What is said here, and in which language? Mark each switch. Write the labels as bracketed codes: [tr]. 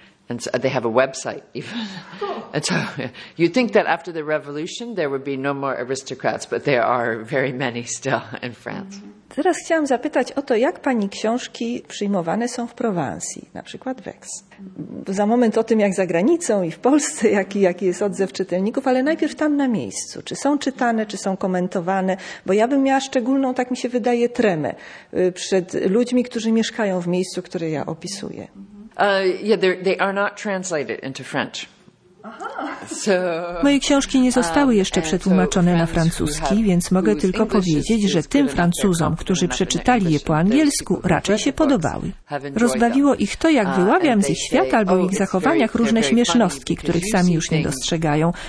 [en] And so they have a website even. And so you'd think that after the revolution there would be no more aristocrats, but there are very many still in France. [pl] Teraz chciałam zapytać o to, jak pani książki przyjmowane są w Prowansji, na przykład w Aix. Za moment o tym, jak za granicą i w Polsce, jaki jest odzew czytelników, ale najpierw tam na miejscu. Czy są czytane, czy są komentowane? Bo ja bym miała szczególną, tak mi się wydaje, tremę przed ludźmi, którzy mieszkają w miejscu, które ja opisuję. [en] They are not translated into French. [pl] Moje książki nie zostały jeszcze przetłumaczone na francuski, więc mogę tylko powiedzieć, że tym Francuzom, którzy przeczytali je po angielsku, raczej się podobały. Rozbawiło ich to, jak wyławiam z ich świata albo ich zachowaniach różne śmiesznostki, których sami już nie dostrzegają.